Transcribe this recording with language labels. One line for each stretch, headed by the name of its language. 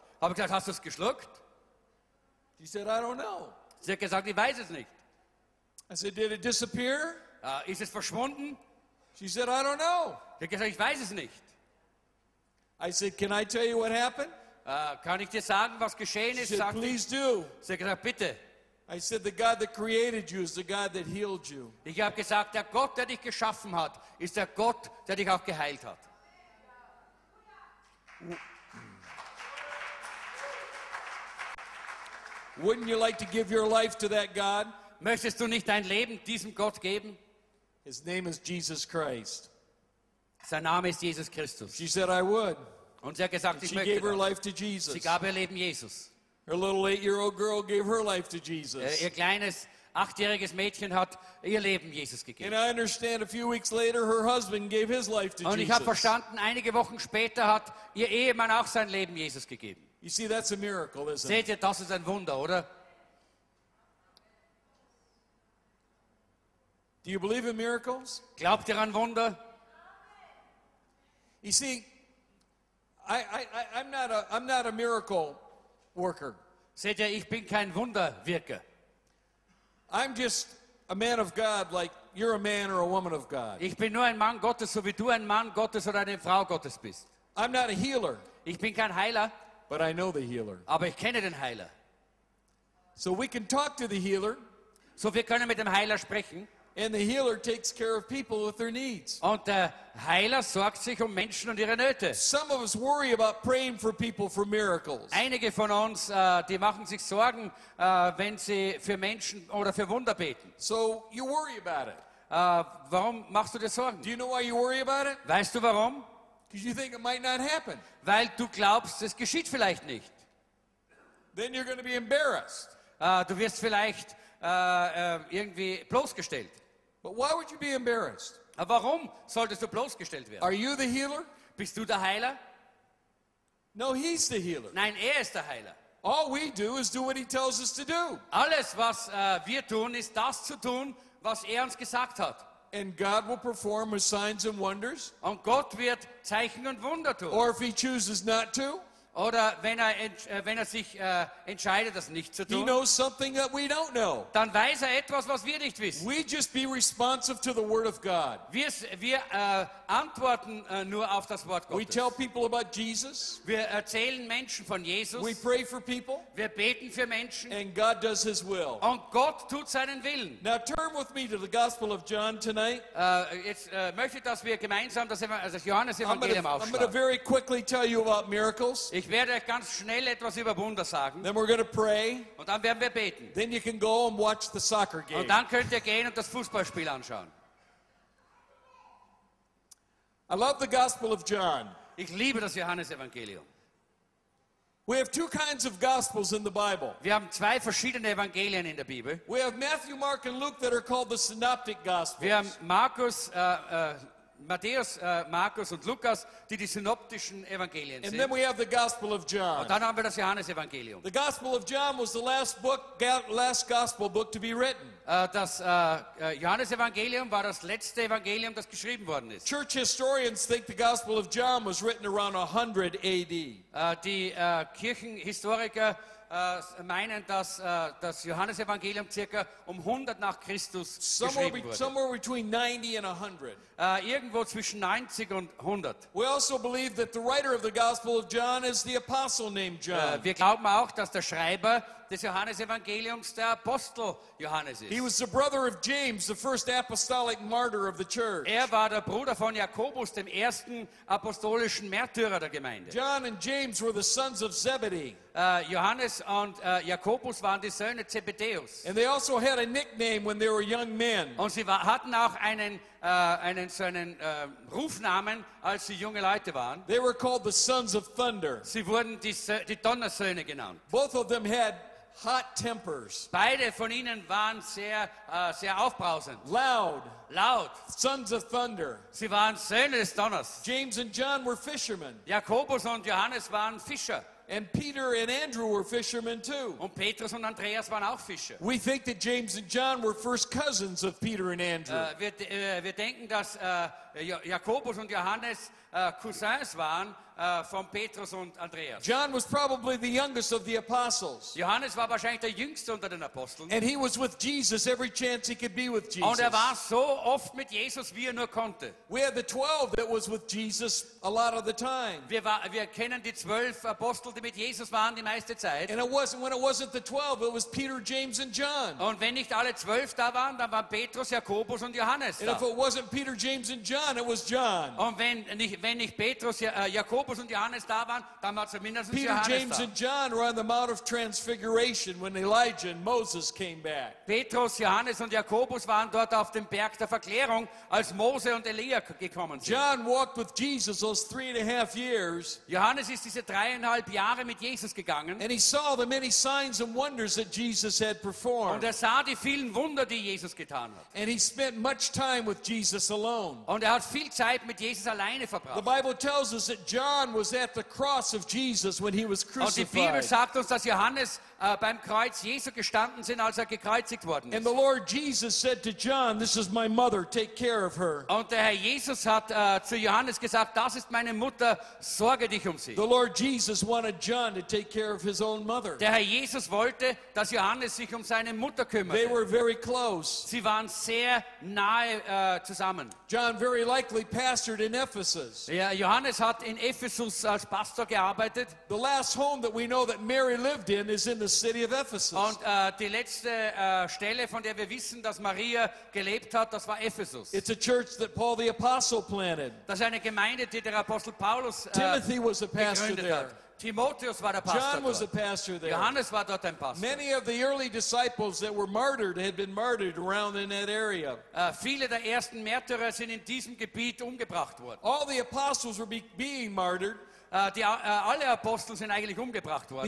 German: Habe gesagt, hast du es geschluckt?
English: She said, I don't know.
German: Sie hat gesagt, ich weiß es nicht.
English: I said, did it disappear?
German: Ist es verschwunden?
English: She said, I don't know.
German: Sie hat gesagt, ich weiß es nicht.
English: I said, can I tell you what happened?
German: Kann ich dir sagen, was geschehen ist?
English: She said, please do.
German: Sie hat gesagt, bitte.
English: I said, the God that created you is the God that healed you.
German: Ich habe gesagt, der Gott, der dich geschaffen hat, ist der Gott, der dich auch geheilt hat.
English: Wouldn't you like to give your life to that God?
German: Möchtest du nicht dein Leben diesem Gott geben?
English: His name is Jesus Christ.
German: Sein Name ist Jesus Christus.
English: She said, I would.
German: Und sie hat gesagt,
English: she gave her life to Jesus.
German: Sie gab ihr Leben Jesus.
English: Her little 8-year-old girl gave her life to Jesus.
German: Ihr kleines 8-jähriges Mädchen hat ihr Leben Jesus gegeben.
English: And I understand a few weeks later her husband gave his life to Jesus.
German: Und ich habe verstanden, einige Wochen später hat ihr Ehemann auch sein Leben Jesus gegeben.
English: You see, that's a miracle, isn't it?
German: Seht ihr, das ist ein Wunder, oder?
English: Do you believe in miracles?
German: Glaubt ihr an Wunder?
English: You see, I'm not a miracle worker.
German: Seht ihr, ich bin kein Wunderwirker.
English: I'm just a man of God, like you're a man or a woman of God.
German: Ich bin nur ein Mann Gottes, so wie du ein Mann Gottes oder eine Frau Gottes bist.
English: I'm not a healer.
German: Ich bin kein Heiler.
English: But I know the healer.
German: Aber ich kenne den Heiler.
English: So we can talk to the healer.
German: So wir können mit dem Heiler sprechen.
English: And the healer takes care of people with their needs.
German: Und der Heiler sorgt sich um Menschen und ihre Nöte.
English: Some of us worry about praying for people for miracles.
German: Einige von uns, die machen sich Sorgen, wenn sie für Menschen oder für Wunder beten.
English: So you worry about it.
German: Warum machst du dir Sorgen?
English: Do you know why you worry about it?
German: Weißt du warum?
English: Because you think it might not happen.
German: Weil du glaubst, es geschieht vielleicht nicht.
English: Then you're going to be embarrassed.
German: Du wirst vielleicht irgendwie bloßgestellt.
English: But why would you be embarrassed?
German: Warum solltest du bloßgestellt werden?
English: Are you the healer?
German: Bist du der Heiler?
English: No, he's the healer.
German: Nein, ist der Heiler.
English: All we do is do what he tells us to do.
German: Alles, was wir tun, ist das zu tun, was uns gesagt hat.
English: And God will perform his signs and wonders.
German: Und Gott wird Zeichen und Wunder tun.
English: Or if he chooses not to.
German: Oder wenn er sich entscheidet, das nicht zu tun,
English: he knows something that we don't know.
German: Dann weiß er etwas, was wir nicht wissen.
English: We just be responsive to the word of God.
German: Wir antworten nur auf das Wort Gottes.
English: We tell people about Jesus.
German: Wir erzählen Menschen von Jesus.
English: We pray for people.
German: Wir beten für Menschen.
English: And God does his will.
German: Und Gott tut seinen Willen.
English: Now turn with me to the Gospel of John tonight.
German: Jetzt möchte ich, dass wir gemeinsam das Johannesevangelium aufschlagen.
English: I'm going to very quickly tell you about miracles.
German: Ich werde euch ganz schnell etwas über Wunder sagen.
English: Then we're going to pray.
German: Und dann werden wir beten.
English: Then you can go and watch the soccer game.
German: Und dann könnt ihr gehen und das Fußballspiel anschauen.
English: I love the Gospel of John.
German: Ich liebe das Johannesevangelium.
English: We have two kinds of Gospels in the Bible.
German: Wir haben zwei verschiedene Evangelien in der Bibel.
English: We have Matthew, Mark, and Luke that are called the Synoptic Gospels.
German: Wir haben Matthäus, Markus und Lukas, die synoptischen Evangelien sind.
English: And then we have the Gospel of John.
German: Und dann haben wir das Johannesevangelium.
English: The Gospel of John was the last Gospel book to be written.
German: Johannesevangelium war das letzte Evangelium, das geschrieben worden ist.
English: Church historians think the Gospel of John was written around 100 AD.
German: Die Kirchenhistoriker meinen, dass das Johannesevangelium circa 100 nach Christus geschrieben wurde.
English: Somewhere between 90 and 100.
German: Irgendwo zwischen 90 und 100.
English: We also believe that the writer of the Gospel of John is the apostle named John.
German: Wir glauben auch, dass der Schreiber des Johannesevangeliums der Apostel Johannes ist.
English: He was the brother of James, the first apostolic martyr of the church.
German: Er war der Bruder von Jakobus, dem ersten apostolischen Märtyrer der Gemeinde.
English: John and James were the sons of Zebedee.
German: Johannes und Jakobus waren die Söhne Zebedeus.
English: And they also had a nickname when they were young men.
German: Und sie hatten auch einen Rufnamen, als sie junge Leute waren.
English: They were called the sons of thunder.
German: Sie wurden die Donnersöhne genannt.
English: Both of them had hot tempers.
German: Beide von ihnen waren sehr aufbrausend.
English: Loud. Sons of thunder.
German: Sie waren Söhne des Donners.
English: James and John were fishermen.
German: Jakobus und Johannes waren Fischer.
English: And Peter and Andrew were fishermen too.
German: Und Petrus und Andreas waren auch Fischer.
English: We think that James and John were first cousins of Peter and Andrew.
German: Wir denken, dass Jakobus und Johannes Cousins waren von Petrus und Andreas.
English: John was probably the youngest of the apostles.
German: Johannes war wahrscheinlich der jüngste unter den Aposteln.
English: And he was with Jesus every chance he could be with Jesus.
German: Und er war so oft mit Jesus, wie er nur konnte.
English: We have the 12 that was with Jesus a lot of the time.
German: Wir kennen die 12 Apostel, die mit Jesus waren die meiste Zeit.
English: And it wasn't when it wasn't the 12, it was Peter, James and John.
German: Und wenn nicht alle 12 da waren, dann waren Petrus, Jakobus und Johannes da.
English: And if it wasn't Peter, James and John, it was John.
German: Und wenn nicht Petrus, Jakobus und Johannes da waren, dann war zumindest
English: Peter,
German: Johannes
English: James
German: da.
English: And John were on the Mount of Transfiguration when Elijah and Moses came back.
German: Petrus, Johannes und Jakobus waren dort auf dem Berg der Verklärung, als Mose und Elia gekommen sind.
English: John walked with Jesus those 3.5 years.
German: Johannes ist diese 3.5 Jahre mit Jesus gegangen.
English: And he saw the many signs and wonders that Jesus had performed.
German: Und er sah die vielen Wunder, die Jesus getan hat.
English: And he spent much time with Jesus alone.
German: Und er hat viel Zeit mit Jesus alleine verbracht.
English: The Bible tells us that John was at the cross of Jesus when he was crucified.
German: Und die Bibel sagt uns, dass Johannes beim Kreuz Jesu gestanden sind, als er gekreuzigt worden ist.
English: And the Lord Jesus said to John, "This is my mother. Take care of her."
German: Und der Herr Jesus hat zu Johannes gesagt, das ist meine Mutter. Sorge dich um sie.
English: The Lord Jesus wanted John to take care of his own mother.
German: Der Herr Jesus wollte, dass Johannes sich um seine Mutter kümmerte.
English: They were very close.
German: Sie waren sehr nahe zusammen.
English: John very likely pastored in Ephesus.
German: Ja, Johannes hat in Ephesus als Pastor gearbeitet.
English: The last home that we know that Mary lived in is in the city of Ephesus.
German: Und die letzte Stelle, von der wir wissen, dass Maria gelebt hat, das war Ephesus.
English: It's a church that Paul the Apostle planted.
German: Das ist eine Gemeinde, die der Apostel Paulus
English: Timothy was a pastor there.
German: Timotheus war der Pastor.
English: John was
German: dort.
English: A pastor there.
German: Johannes war dort ein Pastor.
English: Many of the early disciples that were martyred had been martyred around in that area.
German: Viele der ersten Märtyrer sind in diesem Gebiet umgebracht worden.
English: All the apostles were being martyred.
German: Alle Apostel sind eigentlich umgebracht worden.